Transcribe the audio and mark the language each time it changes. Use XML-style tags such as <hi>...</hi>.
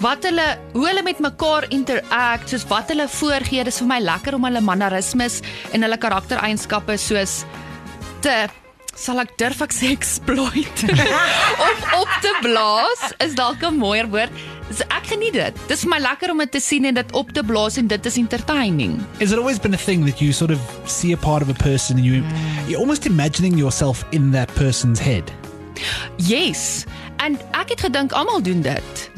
<af>Hoe hulle met mekaar interact, soos wat hulle voorgee, dis vir my lekker om hulle mannerismes en hulle karaktereienskappe soos te, sal ek durf ek sê, exploit. Om op te blaas, is dalk 'n mooier woord. So ek geniet dit. Dis vir my lekker om dit te sien en dit op te blaas en dit is entertaining.</af> <en>Has it always been a thing that you sort of see a part of a person and you're almost imagining yourself in that person's head?</en> <af>Yes, en ek het gedink almal doen dit.</af>